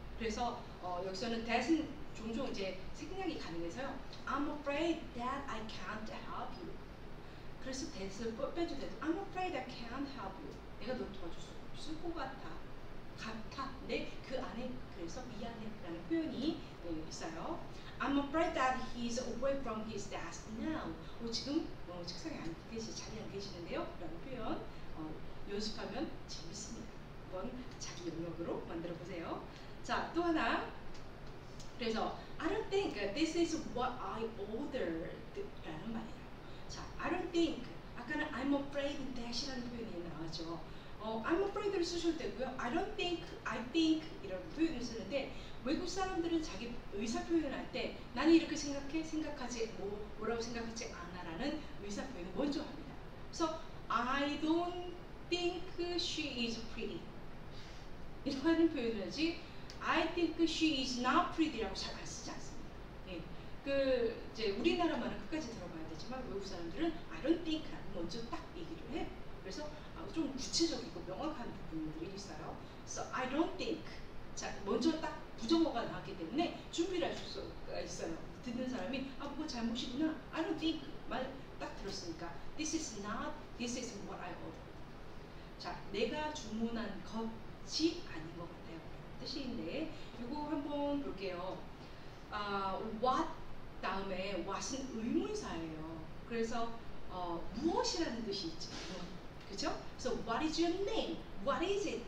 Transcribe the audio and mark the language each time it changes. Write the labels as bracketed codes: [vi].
[ko] 그래서 여기서는 that은 종종 이제 생략이 가능해서요. [en] I'm afraid that I can't help you. [ko] 그래서 that을 빼도 돼도 [en] I'm afraid I can't help you. [ko] 내가 널 도와줄 수 없을 것 같아. 근데 그 안에 그래서 미안해 라는 표현이 있어요. [en] I'm afraid that he's away from his desk now. [ko] 지금 책상에 안 계시, 자리에 안 계시는데요 라는 표현 연습하면 재밌습니다. 한번 자기 영역으로 만들어 보세요. 자, 또 하나. 그래서 [en] I don't think this is what I ordered [ko] 라는 말이에요. 자, [en] I don't think [ko] 아까는 [en] I'm afraid that [ko] 이라는 표현이 나왔죠. I'm afraid를 쓰셔도 되고요. [en] I don't think, I think [ko] 이런 표현을 쓰는데 외국 사람들은 자기 의사 표현할 때 나는 이렇게 생각해, 생각하지 뭐라고 생각하지 않아 라는 의사 표현을 먼저 합니다. 그래서 [en] I don't think she is pretty [ko] 이런 표현을 하지 [en] I think she is not pretty [ko] 라고 잘 안 쓰지 않습니다. 예. 이제 우리나라 말은 끝까지 들어봐야 되지만 외국 사람들은 [en] I don't think [ko] 라고 먼저 딱 얘기를 해. 그래서 좀 구체적이고 명확한 부분들이 있어요. [en] So I don't think. [ko] 자, 먼저 딱 부정어가 나왔기 때문에 준비를 하실 수가 있어요. 듣는 사람이 아, 그거 잘못이구나. [en] I don't think [ko] 말 딱 들었으니까 [en] this is not, this is what I ordered. [ko] 자, 내가 주문한 것이 아닌 것 같아요. 뜻인데 이거 한번 볼게요. What 다음에 what은 의문사예요. 그래서 무엇이라는 뜻이 있죠. 그렇죠? [en] So what is your name? What is it?